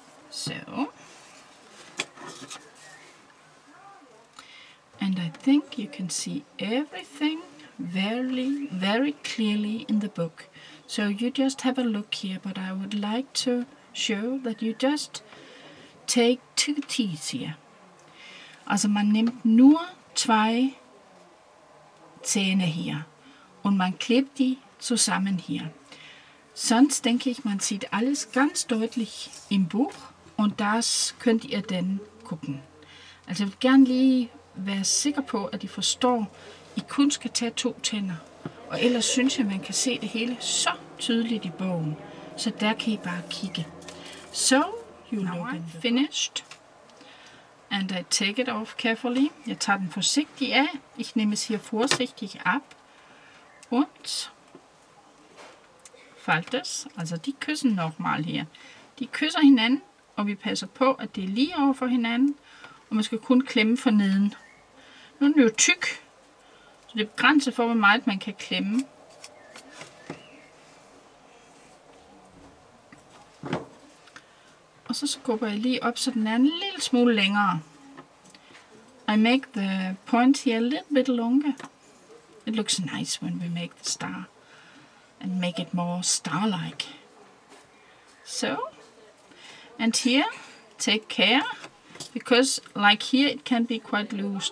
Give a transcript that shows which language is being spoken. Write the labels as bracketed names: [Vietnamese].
[English] So, and I think you can see everything very, very clearly in the book. So you just have a look here, but I would like to show that you just take two teeth here. [German] Also man nimmt nur zwei Zähne hier und man klebt die zusammen hier. Sonst denke ich, man sieht alles ganz deutlich im Buch und das könnt ihr dann gucken. Also ich würde gerne [Danish] lige være sikker på, at I forstår, I kun skal tage to tænder. Og ellers synes jeg, man kan se det hele så tydeligt i bogen. Så der kan I bare kigge. [English] So, you know I'm finished. And I take it off carefully. [Danish] Jeg tager den forsigtigt af. [German] Ich nehme es hier vorsichtig ab. Und falte es. Also die küssen nochmal hier. [Danish] Die kysser hinanden, og vi passer på, at det er lige over for hinanden. Og man skal kun klemme for neden. Nu er den jo tyk. Det begrænser for, hvor meget man kan klemme. Og så skubber jeg lige op, så den er en lille smule længere. [English] I make the point here a little bit longer. It looks nice when we make the star. And make it more star-like. So. And here, take care. Because like here, it can be quite loose.